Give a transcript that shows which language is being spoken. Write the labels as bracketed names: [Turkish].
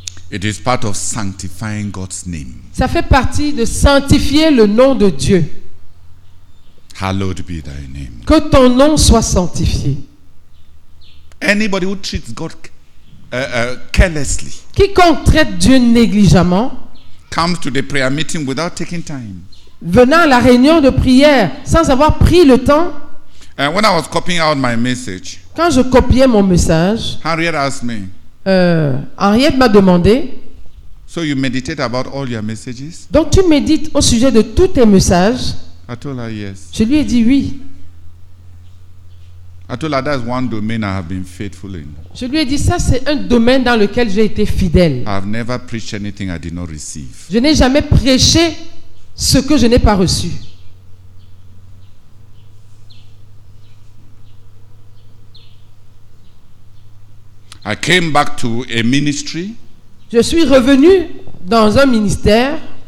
[English] It is part of sanctifying God's name. [French] Ça fait partie de sanctifier le nom de Dieu. [English] Hallowed be thy name. [French] Que ton nom soit sanctifié. [English] Anybody who treats God carelessly. [French] Quiconque traite Dieu négligemment. [English] Comes to the prayer meeting without taking time. [French] Venant à la réunion de prière sans avoir pris le temps. [English] When I was copying out my message. [French] Quand je copiais mon message. [English] Henriette asked me. [French] Henriette m'a demandé. [English] So you meditate about all your messages? [French] Donc tu médites au sujet de tous tes messages. [English] I told her yes. [French] Je lui ai dit oui. [English] I told her that's one domain I have been faithful in. [French] Je lui ai dit ça c'est un domaine dans lequel j'ai été fidèle. [English] I have never preached anything I did not receive. [French] Je n'ai jamais prêché ce que je n'ai pas reçu. [English] I came back to a ministry. [French] Je suis revenu dans un ministère.